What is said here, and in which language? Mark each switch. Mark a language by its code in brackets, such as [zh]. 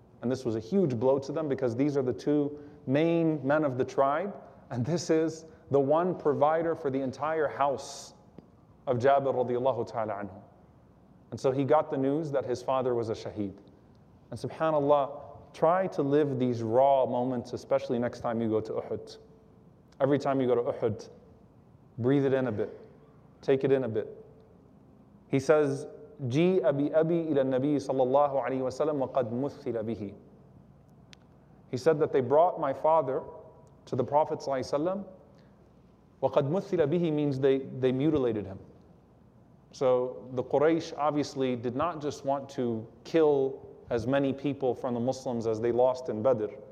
[en] And this was a huge blow to them because these are the two main men of the tribe, and this is the one provider for the entire house of Jabir radiallahu ta'ala anhu. And so he got the news that his father was a shaheed. And subhanAllah, try to live these raw moments, especially next time you go to Uhud. Every time you go to Uhud, breathe it in a bit. Take it in a bit. He says, [ar] جي أبي أبي إلى النبي صلى الله عليه وسلم وقد مثل به. [en] He said that they brought my father to the Prophet صلى الله عليه وسلم. [ar] وقد مثل به [en] means they mutilated him. So the Quraysh obviously did not just want to kill as many people from the Muslims as they lost in Badr.